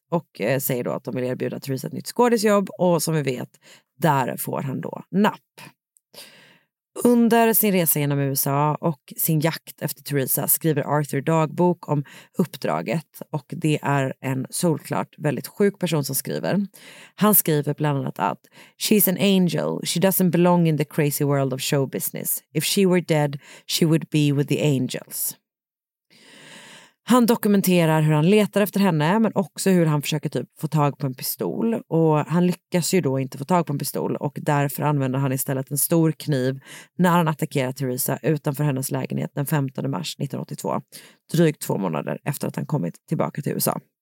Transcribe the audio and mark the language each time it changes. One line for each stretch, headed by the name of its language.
Swedish: Och säger då att de vill erbjuda Teresa ett nytt skådisjobb. Och som vi vet, där får han då napp. Under sin resa genom USA och sin jakt efter Teresa skriver Arthur dagbok om uppdraget och det är en solklart väldigt sjuk person som skriver. Han skriver bland annat att
English: "She's an angel. She doesn't belong in the crazy world of show business. If she were dead, she would be with the angels."
Swedish: Han dokumenterar hur han letar efter henne men också hur han försöker typ få tag på en pistol och han lyckas ju då inte få tag på en pistol och därför använder han istället en stor kniv när han attackerar Teresa utanför hennes lägenhet den 15 mars 1982, drygt 2 månader efter att han kommit tillbaka till USA.